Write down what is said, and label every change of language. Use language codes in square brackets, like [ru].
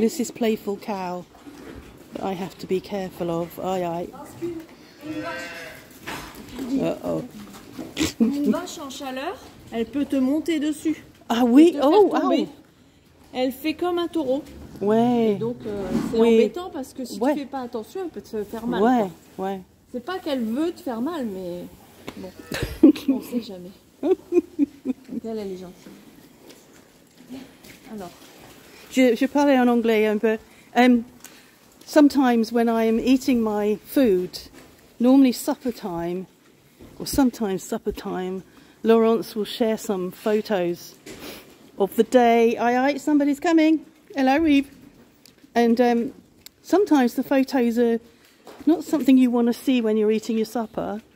[en] This is playful cow that I have to be careful of. Aye, aye. Uh-oh. [fr] Une vache en chaleur, elle peut te monter dessus. Ah oui, oh, ah oui. Elle fait comme un taureau. Ouais. Et donc, c'est embêtant parce que si tu fais pas attention, elle peut te faire mal. Ouais, quoi. Ouais. C'est pas qu'elle veut te faire mal, mais bon, on sait jamais. Donc elle est gentille. Alors. Je parlais en anglais un peu. [en] Sometimes when I am eating my food, normally supper time, or sometimes supper time, Laurence will share some photos of the day. Aye, aye, somebody's coming. Hello, Reeve. And sometimes the photos are not something you want to see when you're eating your supper.